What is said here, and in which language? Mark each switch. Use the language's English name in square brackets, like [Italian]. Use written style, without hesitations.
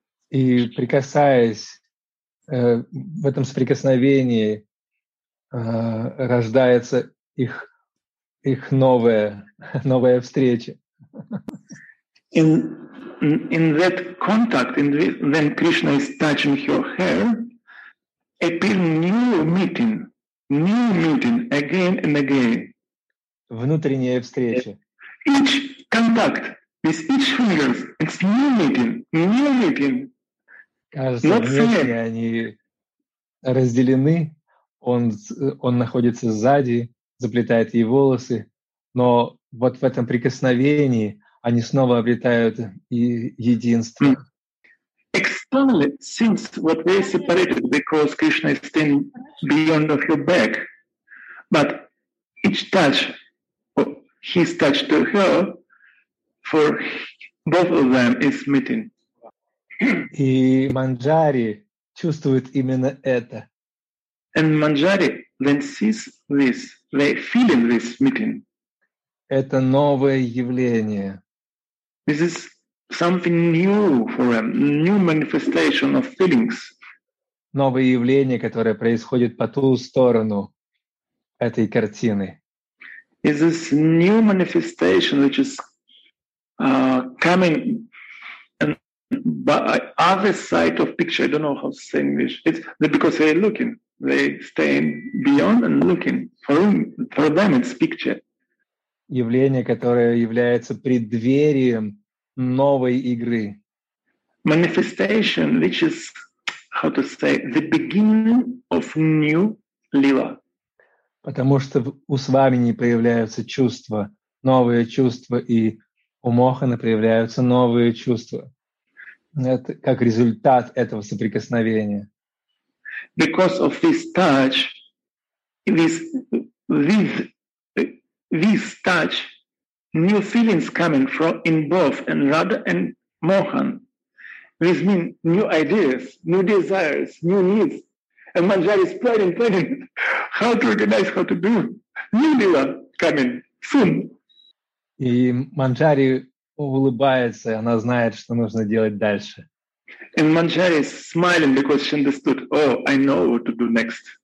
[Russian] И прикасаясь в этом соприкосновении рождается их новая встреча. [English] In that contact, in when Krishna is touching her hair, appear new meeting again and again. [Russian] Внутренняя встреча. [English] Each contact with each fingers, it's new meeting. [Russian] Кажется, не они разделены, он находится сзади, заплетает ей волосы, но вот в этом прикосновении они снова обретают и единство. [English] Externally, since what they separated because Krishna is standing beyond of your back, but each touch, his touch to her, for both of them is meeting. [Russian] И Манджари чувствует именно это. [English] And Manjari then sees this, they feel in this meeting. [Russian] Это новое явление. [English] This is something new for them, new manifestation of feelings. [Russian] Новое явление, которое происходит по ту сторону этой картины. [English] Is this new manifestation which is coming by other side of picture, I don't know how to say English. It's because they're looking. They stay beyond and looking. For them it's picture. [Russian] Явление, которое является преддверием новой игры. [English] Manifestation, which is, how to say, the beginning of new lila. [Russian] Потому что у Свамини появляются чувства, новые чувства, и у Мохана появляются новые чувства. Это как результат этого соприкосновения. [English] Because of this touch, this touch, new feelings coming from in both and Radha and Mohan. This means new ideas, new desires, new needs. And Manjari is planning how to organize, how to do. New lila coming soon. [Russian] И Манджари улыбается, она знает, что нужно делать дальше. [English] And Manjari is smiling because she understood, oh, I know what to do next.